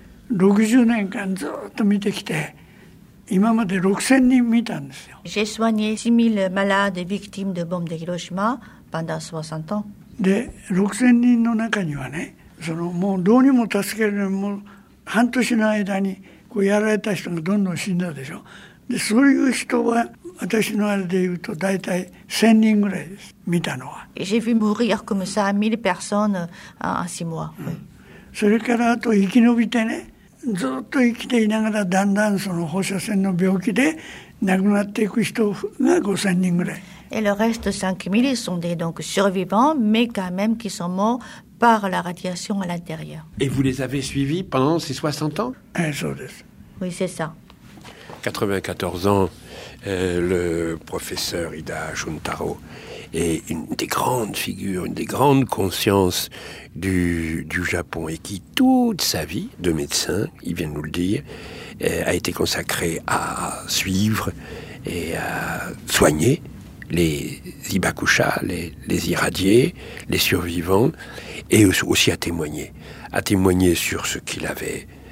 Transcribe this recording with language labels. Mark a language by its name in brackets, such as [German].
[Japanese] 60年間ずっと見てきて、今まで6000人見たんですよ。 [French] J'ai soigné 6000 malades victimes de bombes de Hiroshima pendant 60 ans. [Japanese] で、6000人の中にはね、そのもうどうにも助けられない、もう半年の間にこうやられた人がどんどん死んだでしょ。で、そういう人は私のあれで言うと大体1000人ぐらいです。見たのは。 [French] J'ai vu mourir comme ça 1000 personnes en 6 mois.、うん [Japanese] それからあと生き延びてね、ずっと生きていながらだんだんその放射線の病気で亡くなっていく人が5000人ぐらい。 [French] Et le reste 5000 sont des donc survivants, mais quand même qui sont morts par la radiation à l'intérieur. Et vous les avez suivis pendant ces 60 ans ? [Japanese] そうです。 [French] Oui, c'est ça. 94 ans, le professeur Ida Shuntaro est une des grandes figures, une des grandes consciences du Japon et qui, toute sa vie de médecin, il vient de nous le dire, a été consacrée à suivre et à soigner les Hibakusha, les irradiés, les survivants, et aussi à témoigner sur ce qu'il avait